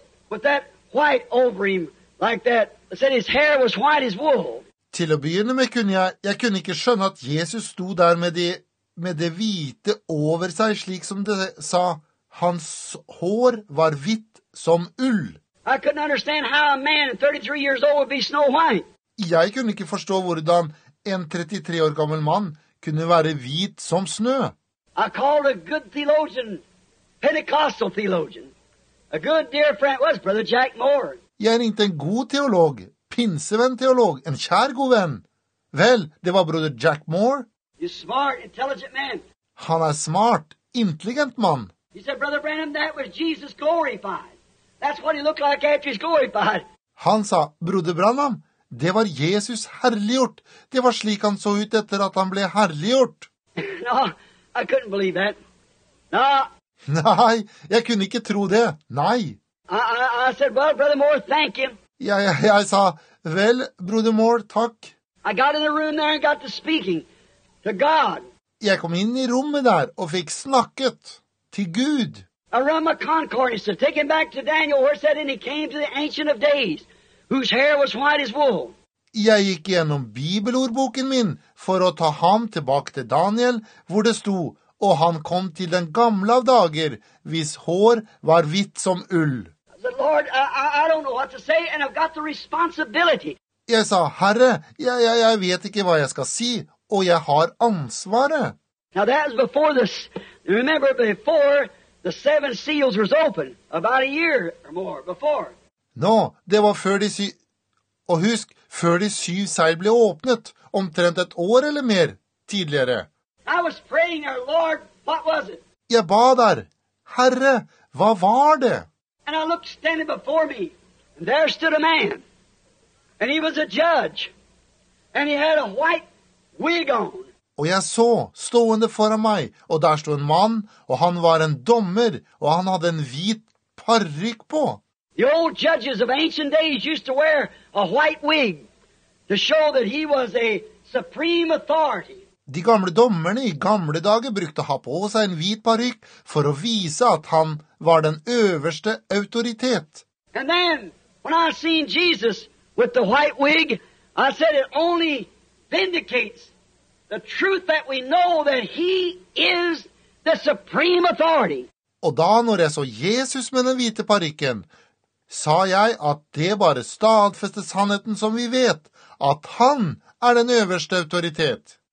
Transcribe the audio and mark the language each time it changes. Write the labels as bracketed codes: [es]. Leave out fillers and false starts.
[en] With that white over him, like that. I said his hair was white as wool. [no] Til å begynne med kunne jeg kunne ikke skjønne at Jesus sto der med det hvite over seg, slik som det sa, hans hår var hvitt som ull. [en] I couldn't understand how a man 33 years old would be snow white. [no] Jeg kunne ikke forstå hvordan en 33 år gammel mann kunne være hvit som snø. [en] I called a good theologian, Pentecostal theologian. A good dear friend was Brother Jack Moore. [no] Jeg ringte en god teolog, pinsevenn-teolog, en kjær god venn. Vel, det var Brother Jack Moore. [en] He's smart, intelligent man. [no] Han smart, intelligent mann. [en] He said, Brother Branham, that was Jesus glorified. That's what he looked like after he's glorified. [no] Han sa, Broder Branham, det var Jesus herliggjort. Det var slik han så ut etter at han ble herliggjort. [en] No, I couldn't believe that. No. [no] Nei, jeg kunne ikke tro det. Nei. [en] I said, well, Brother Moore, thank him. [no] Jeg sa, vel, Broder Moore, takk. [en] I got in the room there and got to speaking to God. [no] Jeg kom inn i rommet der og fikk snakket til Gud. [en] A realm of concord, he said, take him back to Daniel, where he said, and he came to the Ancient of Days, whose hair was white as wool. [no] Jeg gikk gjennom bibelordboken min for å ta ham tilbake til Daniel, hvor det sto, og han kom til den gamle av dager, hvis hår var hvitt som ull. [en] The Lord, I don't know what to say, and I've got the responsibility. [no] Jeg sa, Herre, jeg vet ikke hva jeg skal si, og jeg har ansvaret. [en] Now that was before this, remember before, the seven seals was open about a year or more before. [no] No, det var før de syv, og husk, før de syv seil ble åpnet, omtrent et år eller mer tidligere. [en] I was praying, our Lord, what was it? [no] Jeg ba der, Herre, hva var det? [en] And I looked standing before me, and there stood a man, and he was a judge, and he had a white wig on. [no] Og jeg så, stående foran meg, og der stod en mann, og han var en dommer, og han hadde en hvit parrykk på. [en] The old judges of ancient days used to wear a white wig to show that he was a supreme authority. [no] De gamle dommerne I gamle dager brukte å ha på seg en hvit parykk for å vise at han var den øverste autoritet. [en] And then, when I seen Jesus with the white wig, I said it only vindicates the truth that we know that he is the supreme authority. [no] Og da når jeg så Jesus med den hvite parykken, sa jeg at det bare stadfester sannheten som vi vet, at han den øverste autoritet.